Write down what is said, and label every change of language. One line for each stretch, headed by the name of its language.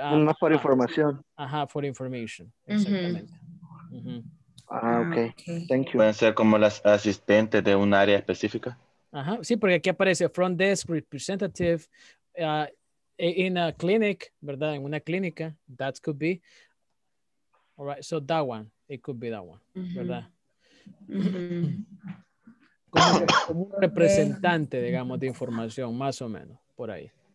Spanish: Más por información.
English: Ajá, for information.
Spanish: Exactamente.
English: Uh-huh. Uh-huh. Okay. Thank you.
Spanish: ¿Pueden ser como las asistentes de un área específica? Ajá, sí, porque aquí aparece
English: front desk representative in a clinic,
Spanish: ¿verdad? En una clínica,
English: that could be. All right, so that one, it could be that one, uh-huh.
Spanish: ¿verdad? Uh-huh. Como un representante, digamos, de información, más o menos, por ahí.